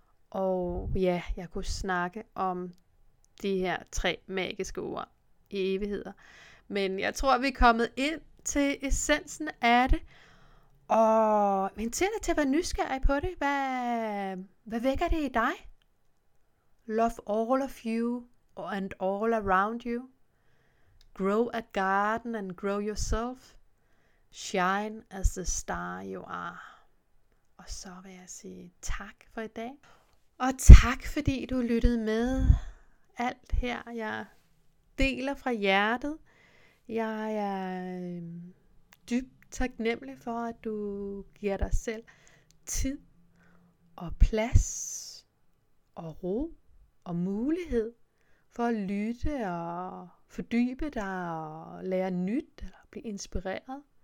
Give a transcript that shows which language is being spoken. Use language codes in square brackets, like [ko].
[da] Og ja, jeg kunne snakke om de her tre magiske ord i evigheder. Men jeg tror, vi er kommet ind til essensen af det. Og inviterer dig til at være nysgerrig på det. Hvad vækker det i dig? [en] Love all of you and all around you. Grow a garden and grow yourself. Shine as the star you are. [da] Og så vil jeg sige tak for i dag. Og tak fordi du lyttede med alt her. Jeg deler fra hjertet. Jeg er dybt taknemmelig for, at du giver dig selv tid og plads og ro og mulighed for at lytte og fordybe dig og lære nyt eller blive inspireret.